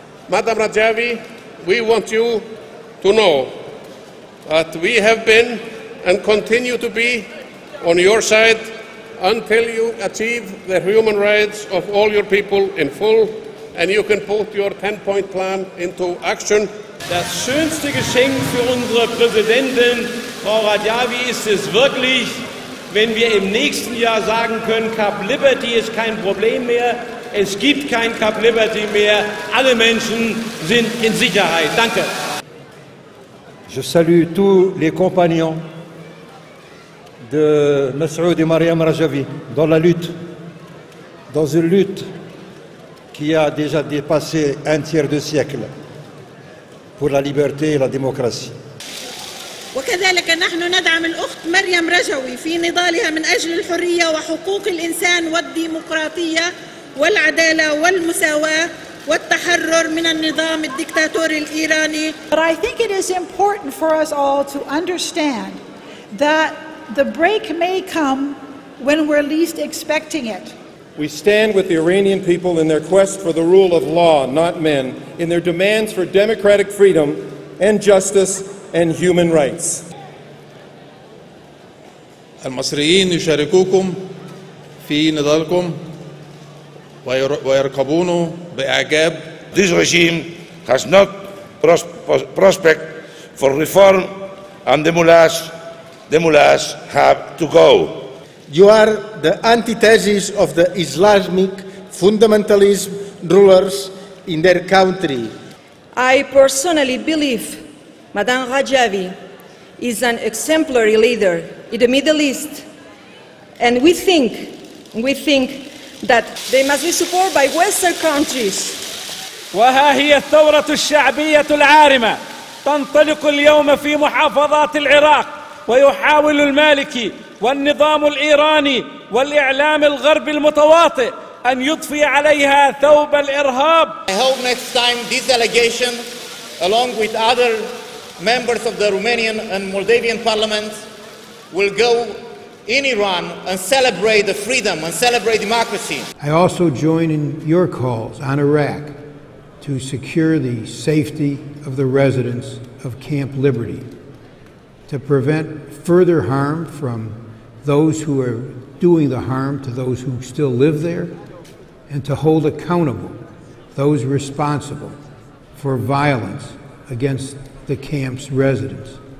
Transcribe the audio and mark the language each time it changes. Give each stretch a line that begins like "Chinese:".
English: Madam Rajavi, we want you to know that we have been and continue to be on your side until you achieve the human rights of all your people in full and you can put your 10-point plan into action.
German: Das schönste Geschenk für unsere Präsidentin, Frau Rajavi, ist es wirklich, wenn wir im nächsten Jahr sagen können, Cap Liberty ist kein Problem mehr. Es gibt kein Cap Liberty mehr. Alle Menschen sind in Sicherheit. Danke.
French: Je salue tous les compagnons de Masoud et Mariam Rajavi dans la lutte, dans une lutte qui a déjà dépassé un tiers de siècle pour la liberté et la démocratie.
Arabic: وكذلك نحن ندعم الأخت مريم رجوي في نضالها من أجل الحرية وحقوق الإنسان والديمقراطية والعدالة والمساواة والتحرر من النظام الدكتاتوري الإيراني.
English: But I think it is important for us all to understand that the break may come when we're least expecting it. We stand with the Iranian people in their quest for the rule of law, not men, in their demands for democratic freedom and justice and human rights.
Arabic: المصريين يشاركوكم في نضالكم ويرقبون بإعجاب.
English: This regime has no prospect for reform and the mullahs, have to go. You are the antithesis of the Islamic fundamentalism rulers in their country. I personally believe Madame Rajavi is an exemplary leader in the Middle East, and we think that they must be supported by Western countries.
Arabic: وها هي الثورة الشعبية العارمة تنطلق اليوم في محافظات العراق ويحاول المالكي والنظام الإيراني والإعلام الغربي المتواطئ أن يضفي عليها ثوب الإرهاب.
English: I hope next time this delegation, along with other members of the Romanian and Moldavian parliament, will go in Iran and celebrate the freedom and celebrate democracy. I also join in your calls on Iraq to secure the safety of the residents of Camp Liberty, to prevent further harm from those who are doing the harm to those who still live there, and to hold accountable those responsible for violence against the camp's residents.